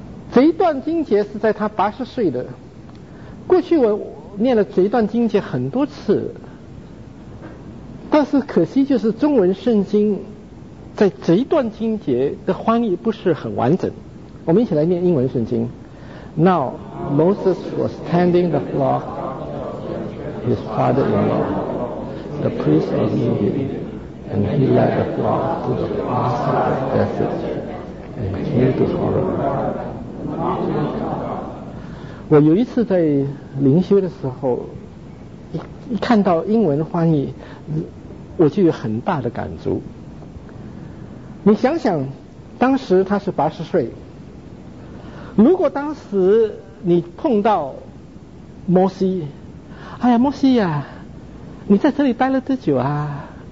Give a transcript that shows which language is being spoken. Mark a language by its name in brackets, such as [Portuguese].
[Chinese] 这一段经节是在他80岁的，过去我念了这一段经节很多次，但是可惜就是中文圣经在这一段经节的翻译不是很完整。我们一起来念英文圣经。 [English] Now Moses was tending the flock of his father-in-law, the priest of Midian, and he led the flock to the pass of the desert and came to Horeb. [Chinese] 我有一次在灵修的时候 一看到英文翻译，我就有很大的感触。你想想，当时他是80岁，如果当时你碰到摩西，哎呀摩西呀、啊、你在这里待了多久啊？